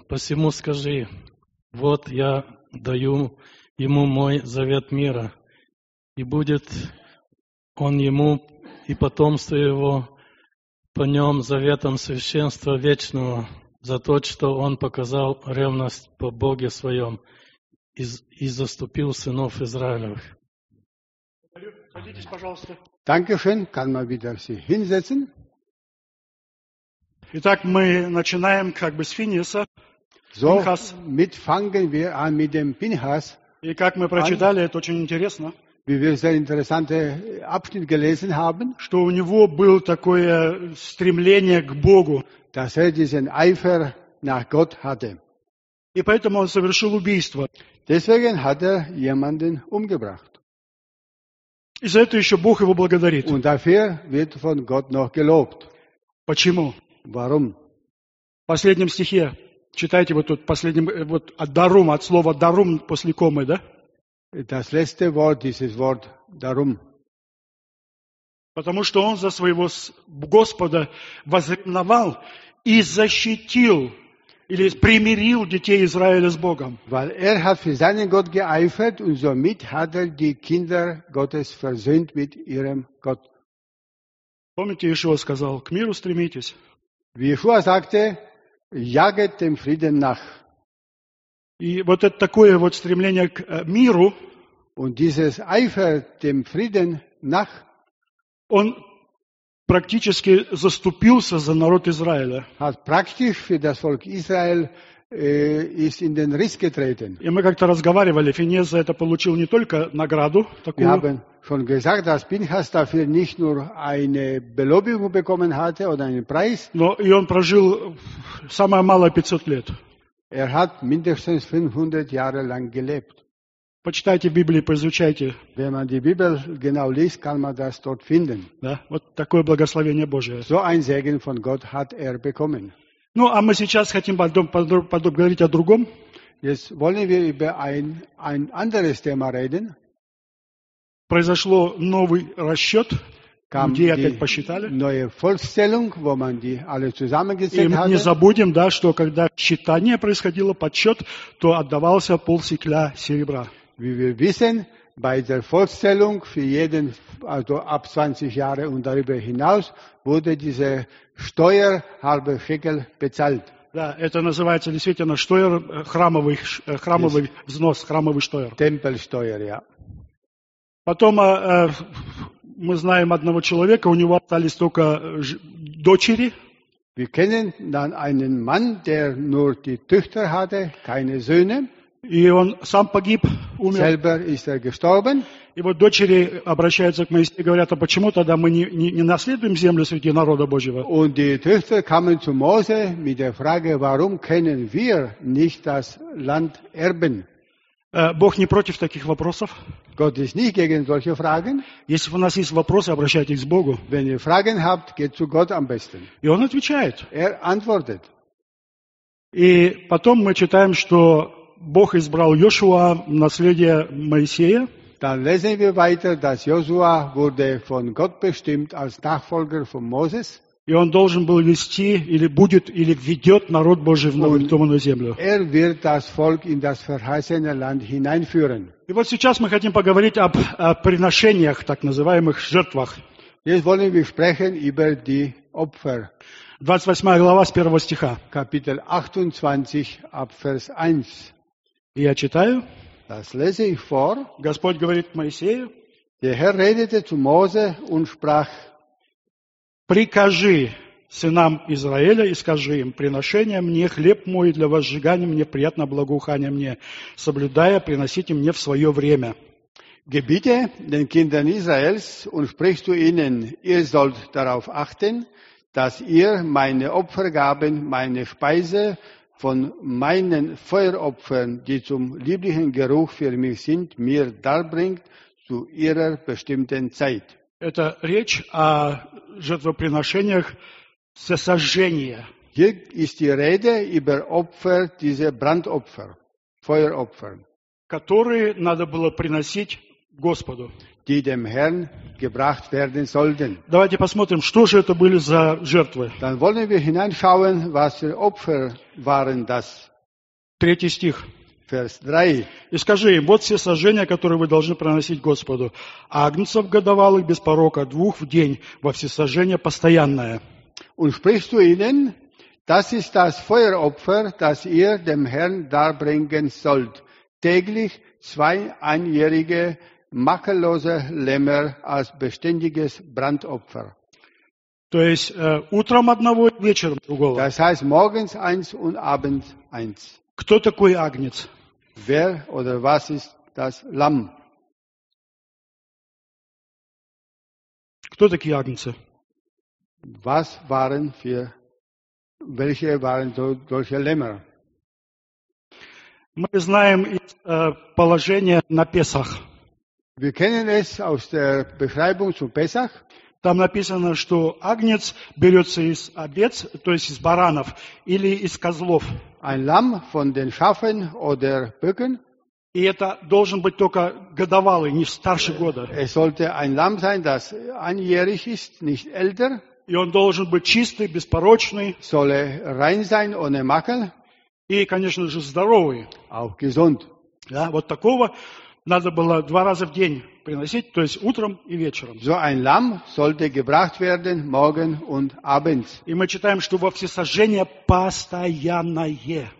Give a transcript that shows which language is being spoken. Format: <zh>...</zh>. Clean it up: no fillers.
<ru>Посему скажи, вот я даю ему мой завет мира, и будет он ему и потомству его по нем заветом священства вечного за то, что он показал ревность по Боге своем и заступил сынов Израилевых.</ru> <de>Dankeschön, kann man wieder sich hinsetzen.</de> <ru>Итак, мы начинаем как бы с Финиса.</ru> <de>So, Pinchas. Mit fangen wir an mit dem Pinchas.</de> <ru>И как мы прочитали, это очень интересно.</ru> <de>Wie wir sehr interessante Abschnitt gelesen haben,</de> <ru>что у него было такое стремление к Богу,</ru> <de>dass er diesen Eifer nach Gott hatte.</de> <ru>И поэтому он совершил убийство.</ru> <de>Deswegen hat er jemanden umgebracht.</de> <ru>И за это еще Бог его благодарит.</ru> <de>Und dafür wird von Gott noch gelobt.</de> <ru>Почему?</ru> <de>Warum?</de> <ru>В последнем стихе, читайте вот тут, последним, вот от «дарум», от слова «дарум» после комы, да?</ru> <de>Das letzte Wort, dieses Wort, darum.</de> <ru>Потому что он за своего Господа возревновал и защитил или примирил детей Израиля с Богом.</ru> <de>Weil er hat für seinen Gott geeifert und somit hat er die Kinder Gottes versöhnt mit ihrem Gott.</de> <ru>Помните, Иешуа сказал, к миру стремитесь.</ru> <de>Wie Иешуа sagte, jaget dem Frieden nach.</de> <ru>И вот это такое вот стремление к миру,</ru> <de>und dieses Eifer dem Frieden nach,</de> <ru>он практически заступился за народ Израиля.</ru> <de>Hat praktisch für das Volk Israel, ist in den Riss getreten.</de> <ru>И мы как-то разговаривали, Финиес за это получил не только награду такую.</ru> <de>Wir haben schon gesagt, dass Pinchas dafür nicht nur eine Belobigung bekommen hatte oder einen Preis.</de> <ru>Но и он прожил самое малое 500 лет.</ru> <de>Hat mindestens 500 Jahre lang gelebt.</de> <ru>Почитайте Библию, поизучайте. Wenn man die Bibel genau liest, kann man das dort finden. Да? Вот такое благословение Божие.</ru> <de>So ein Segen von Gott hat bekommen.</de> <ru>Ну, а мы сейчас хотим поговорить о другом.</ru> <de>Jetzt wollen wir über ein anderes Thema reden.</de> <ru>Произошло новый расчет,</ru> <de>kam</de> <ru>где опять посчитали.</ru> <de>Neue Volkszählung, wo man die alle zusammengezählt</de> <ru>И мы не забудем, да, что когда считание происходило, подсчет, то отдавался полсекля серебра.</ru> <de>Wie wir wissen, bei der Volkszählung für jeden, also ab 20 Jahre und darüber hinaus, wurde diese Steuer halbe Schekel bezahlt.</de> <ru>Да, это называется действительно Steuer, храмовый взнос, храмовый Steuer.</ru> <de>Tempelsteuer, ja.</de> <ru>Потом мы знаем одного человека, у него остались только дочери.</ru> <de>Wir kennen dann einen Mann, der nur die Töchter hatte, keine Söhne.</de> <ru>И он сам погиб, умер.</ru> <de>Selber ist gestorben.</de> <ru>И вот дочери обращаются к Моисею и говорят, а почему тогда мы не наследуем землю среди народа Божьего?</ru> <de>Und die Töchter kamen zu Mose mit der Frage, warum können wir nicht das Land erben?</de> <ru>Бог не против таких вопросов.</ru> <de>Gott ist nicht gegen solche Fragen.</de> <ru>Если у нас есть вопросы, обращайтесь к Богу.</ru> <de>Wenn ihr Fragen habt, geht zu Gott am besten.</de> <ru>И он отвечает.</ru> <de>Er antwortet.</de> <ru>И потом мы читаем, что Бог избрал Йошуа в наследие Моисея.</ru> <de>Dann lesen wir weiter, dass Josua wurde von Gott bestimmt als Nachfolger von Moses.</de> <ru>И он должен был вести, или будет, или ведет народ Божий в обетованную землю.</ru> <de>Er wird das Volk in das verheißene Land hineinführen.</de> <ru>И вот сейчас мы хотим поговорить об приношениях, так называемых жертвах.</ru> <de>Jetzt wollen wir sprechen über die Opfer.</de> <ru>28 глава с 1 стиха.</ru> <de>Kapitel 28, ab Vers 1.</de> <ru>Я читаю.</ru> <de>Das lese ich vor.</de> <ru>Господь говорит Моисею.</ru> <de>Der Herr redete zu Mose und sprach:</de> <ru>Прикажи сынам Израиля и скажи им, приношение мне, хлеб мой для возжигания мне, приятно благоухание мне, соблюдая, приносите мне в свое время.</ru> <de>Gebiete den Kindern Israels und sprichst du ihnen, ihr sollt darauf achten, dass ihr meine Opfergaben, meine Speise von meinen Feueropfern, die zum lieblichen Geruch für mich sind, mir darbringt zu ihrer bestimmten Zeit.</de> <ru>Это речь о жертвоприношениях всесожжения.</ru> <de>Hier ist die Rede über Opfer, diese Brandopfer, Feueropfer,</de> <ru>которые надо было приносить Господу,</ru> <de>die dem Herrn gebracht werden sollten.</de> <ru>Давайте посмотрим, что же это были за жертвы.</ru> <de>Dann wollen wir hineinschauen, was für Opfer waren das.</de> <ru>Третий стих.</ru> <de>Vers 3.</de> <ru>И скажи им, вот все сожжения, которые вы должны приносить Господу. Агнцев годовалых без порока, двух в день, во всесожжение постоянное.</ru> <de>Und sprichst du ihnen, das ist das Feueropfer, das ihr dem Herrn darbringen sollt. Täglich zwei einjährige, makellose Lämmer als beständiges Brandopfer.</de> <ru>То есть, утром одного и вечером другого.</ru> <de>Das heißt, morgens eins und abends eins.</de> <ru>Кто такой Агнец?</ru> <de>Wer oder was ist das Lamm?</de> <ru>Кто такие агнцы?</ru> <de>Was waren für, welche waren solche Lämmer?</de> <ru>Мы знаем из положения на Песах.</ru> <de>Wir kennen es aus der Beschreibung zu Песах.</de> <ru>Там написано, что агнец берется из овец, то есть из баранов, или из козлов.</ru> <de>Ein Lamm von den Schafen oder Böcken.</de> <ru>И это должен быть только годовалый, не старше года.</ru> <de>Es sollte ein Lamm sein, das einjährig ist, nicht älter.</de> <ru>И он должен быть чистый, беспорочный.</ru> <de>Solle rein sein, ohne Makel.</de> <ru>И, конечно же, здоровый.</ru> <de>Auch gesund.</de> <ru>Да, вот такого надо было два раза в день приносить, то есть утром и вечером.</ru> <de>So ein Lamm sollte gebracht werden, morgen und abends.</de> <ru>И мы читаем, что во всесожжение постоянное.</ru>